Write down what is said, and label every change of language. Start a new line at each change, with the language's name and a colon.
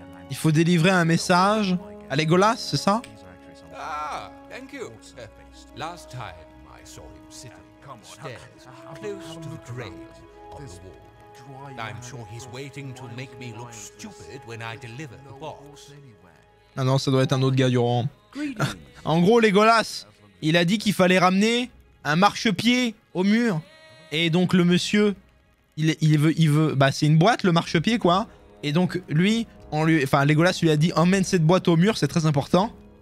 French: Il faut délivrer un message à Legolas, c'est ça?
English: Thank you. Last time I saw him sitting upstairs, close to the grate on the wall. I'm sure he's waiting to make me look stupid when I deliver the box.
French: Ah non, ça doit être un autre gars du rang. En gros, Legolas, il a dit qu'il fallait ramener un marchepied au mur. Et donc le monsieur, il veut, bah c'est une boîte le marchepied quoi. Et donc lui, Legolas lui a dit emmène cette boîte au mur, c'est très important.